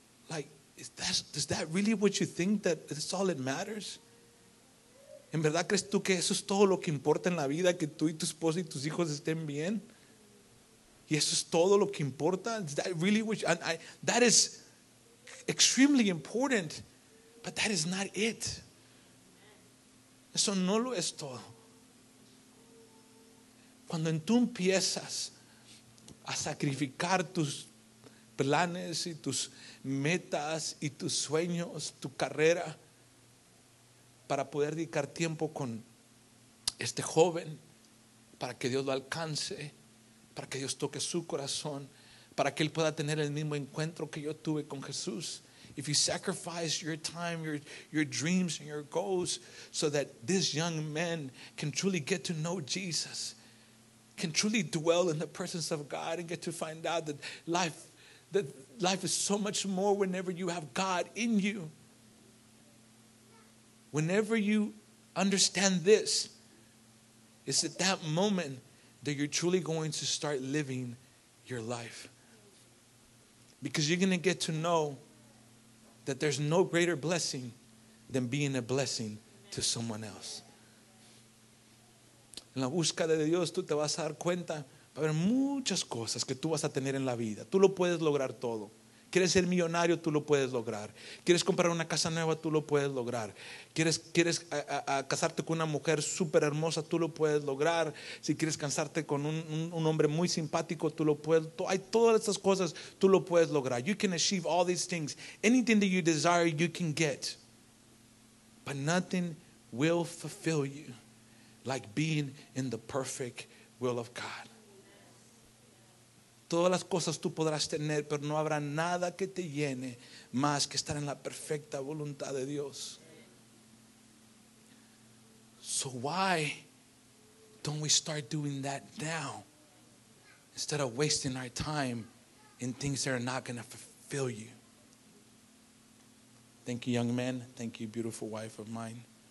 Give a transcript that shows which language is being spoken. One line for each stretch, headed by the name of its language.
English: Like, is that really what you think, that it's all that matters?
Spanish: ¿En verdad crees tú que eso es todo lo que importa en la vida, que tú y tu esposa y tus hijos estén bien? Y eso es todo lo que importa.
English: Is that really what you, that is extremely important, but that is not it.
Spanish: Eso no lo es todo. Cuando tú empiezas a sacrificar tus planes y tus metas y tus sueños, tu carrera, para poder dedicar tiempo con este joven, para que Dios lo alcance, para que Dios toque su corazón, para que él pueda tener el mismo encuentro que yo tuve con Jesús.
English: If you sacrifice your time, your dreams and your goals so that this young man can truly get to know Jesus, can truly dwell in the presence of God and get to find out that life is so much more whenever you have God in you. Whenever you understand this, it's at that moment that you're truly going to start living your life. Because you're going to get to know that there's no greater blessing than being a blessing to someone else.
Spanish: En la búsqueda de Dios, tú te vas a dar cuenta, va a haber muchas cosas que tú vas a tener en la vida. Tú lo puedes lograr todo. Quieres ser millonario, tú lo puedes lograr. Quieres comprar una casa nueva, tú lo puedes lograr. Quieres casarte con una mujer súper hermosa, tú lo puedes lograr. Si quieres casarte con un hombre muy simpático, tú lo puedes. Hay todas esas cosas, tú lo puedes lograr.
English: You can achieve all these things. Anything that you desire, you can get. But nothing will fulfill you like being in the perfect will of God.
Spanish: Todas las cosas tú podrás tener, pero no habrá nada que te llene más que estar en la perfecta voluntad de Dios.
English: So why don't we start doing that now instead of wasting our time in things that are not going to fulfill you? Thank you, young man. Thank you, beautiful wife of mine.